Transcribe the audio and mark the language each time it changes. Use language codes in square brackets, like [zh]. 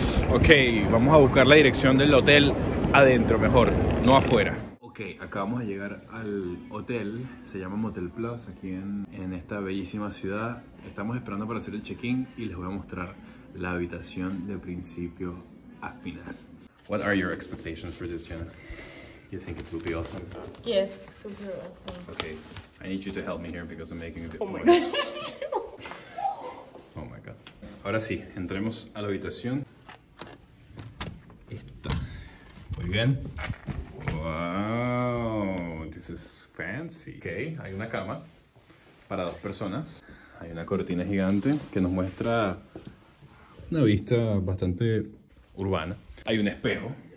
[es] Ok, vamos a buscar la dirección del hotel adentro mejor, no afuera. Ok, acabamos de llegar al hotel, se llama Motel Plus, aquí en esta bellísima ciudad. Estamos esperando para hacer el check-in y les voy a mostrar la habitación de principio a final. [en] What are your expectations for this, Jenna? You think it will be awesome? Yes, super awesome. Okay, I need you to help me here because I'm making a bit funny. Oh my god. Oh my god. [es] Ahora sí, entremos a la habitación. Esta. Muy bien. [en] Wow, this is fancy. [es] Okay, hay una cama para dos personas. Hay una cortina gigante que nos muestra una vista bastante urbana. Hay un espejo.